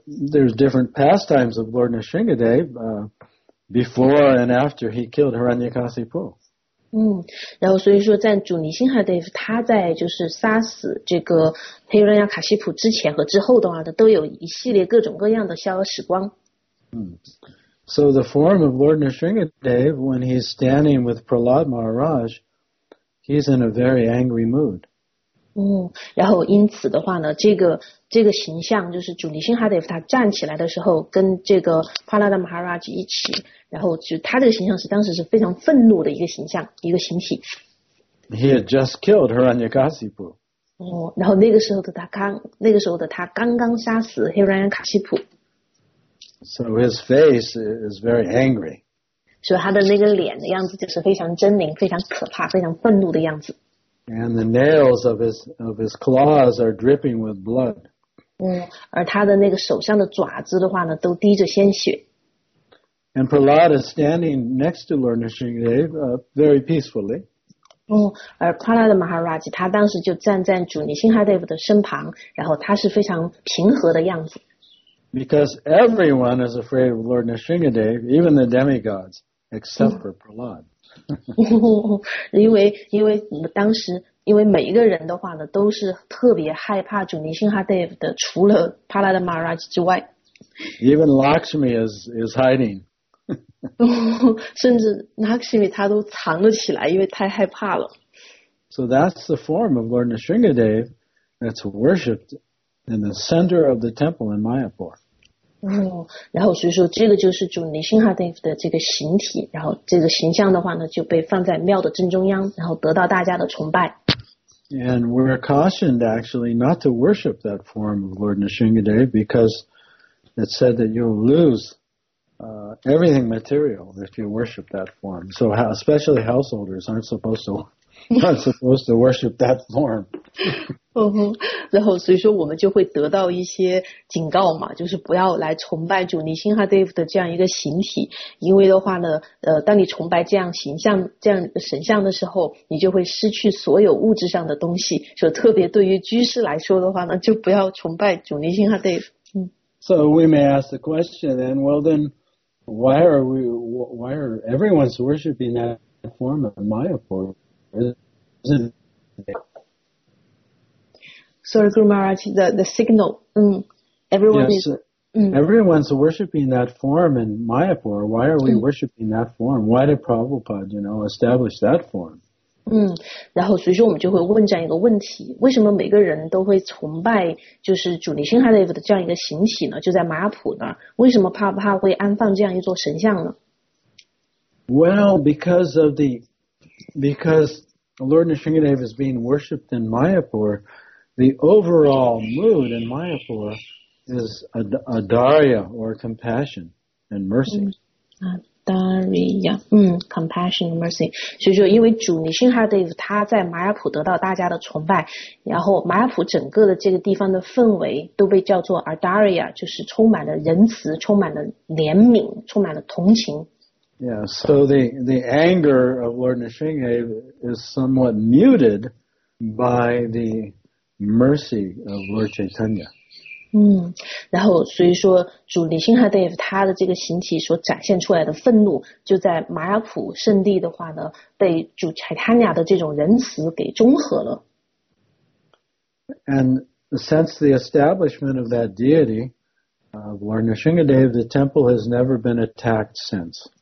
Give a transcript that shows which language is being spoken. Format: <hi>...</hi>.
<en>there's different pastimes of Lord Nrisingadev before and after he killed Hiranyakasipu.</en> <zh>然后所以说在主尼辛哈德夫他在就是杀死这个 黑人亚卡西普之前和之后的话，都有一系列各种各样的逍遥时光。</zh> <en>So the form of Lord Nrisingadev when he's standing with Prahlad Maharaj, he's in a very angry mood.</en> <zh>然后因此的话呢，这个形象就是主尼辛哈德夫，他站起来的时候跟这个帕拉达马哈拉吉一起，然后就他这个形象是当时是非常愤怒的一个形象，一个形体。</zh> <en>He had just killed Hiranyakashipu.</en> <zh>然后那个时候的他刚刚杀死 Hiranyakashipu.</zh> <en>So his face is very angry.</en> <zh>所以他的那个脸的样子就是非常狰狞，非常可怕，非常愤怒的样子。</zh> <en>And the nails of his claws are dripping with blood.</en> <zh>而他的那个手上的爪子的话呢，都滴着鲜血。</zh> <en>And Prahlad is standing next to Lord Nrsingadev, very peacefully.</en> <zh>而 Prahlad Maharaj 他当时就站在主尼辛哈德夫的身旁，然后他是非常平和的样子。</zh> <en>Because everyone is afraid of Lord Nrsingadev, even the demigods, except for Prahlad.</en> <zh>因为当时因为每一个人的话呢都是特别害怕主尼辛哈德夫的，除了帕拉的马拉吉之外。</zh> <en>Even Lakshmi is hiding.</en> <zh>甚至 Lakshmi 他都藏了起来，因为太害怕了。</zh> <en>So that's the form of Lord Nrsingadev that's worshipped in the center of the temple in Mayapur.</en> <zh>然后所以说这个就是主尼辛哈德夫的这个形体，然后这个形象的话呢就被放在庙的正中央，然后得到大家的崇拜。</zh> <en>And we're cautioned actually not to worship that form of Lord Nrsingadev because it said that you'll lose everything material if you worship that form. So especially householders aren't supposed to worship that form.</en> <zh>然后所以说我们就会得到一些警告嘛，就是不要来崇拜主尼辛哈德夫的这样一个形体，因为的话呢当你崇拜这样形象这样神像的时候，你就会失去所有物质上的东西，所以特别对于居士来说的话呢，就不要崇拜主尼辛哈德夫。</zh> <en>So we may ask the question then, well then why are everyone worshiping that form of Mayapur? Sorry, Guru Maharaj, the signal. Everyone's worshiping that form in Mayapur. Why are we worshiping that form? Why did Prabhupada, establish that form?</en> <zh>然后随时我们就会问这样一个问题，为什么每个人都会崇拜就是主尼辛哈德夫的这样一个形体呢？就在马普那儿，为什么帕会安放这样一座神像呢？</zh> <en>Well, because Lord Nrsingadev is being worshipped in Mayapur, the overall mood in Mayapur is a Darya or compassion and mercy. Darya, compassion and mercy.</en> <zh>所以说因为主尼辛哈德夫他在马雅普得到大家的崇拜，然后马雅普整个的这个地方的氛围都被叫做 Darya, 就是充满了仁慈，充满了怜悯，充满了同情。</zh> <en>Yeah, so the anger of Lord Nrsingadev is somewhat muted by the mercy of Lord Chaitanya.</en> <zh>然后所以说主尼辛哈德夫他的这个形体所展现出来的愤怒，就在马雅普圣地的话呢，被主柴坦尼亚的这种仁慈给中和了。</zh> <en>And since the establishment of that deity of Lord Nrsingadev, the temple has never been attacked since.</en>